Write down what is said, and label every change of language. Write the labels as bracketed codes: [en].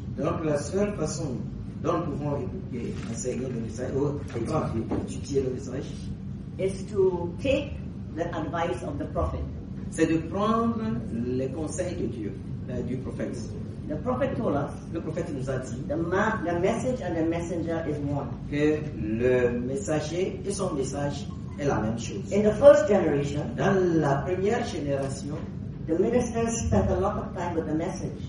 [fr] Donc la seule façon dont nous pouvons enseigner le message ou étudier le message [en] is to take the advice of the prophet. [fr] C'est de prendre les conseils de Dieu, du prophète. [en] The prophet told us. [fr] Le prophète nous a dit. [en] The message and the messenger is one. [fr] Que le messager et son message est la même chose. [en] In the first generation. [fr] Dans la première génération. [en] The ministers spent a lot of time with the message.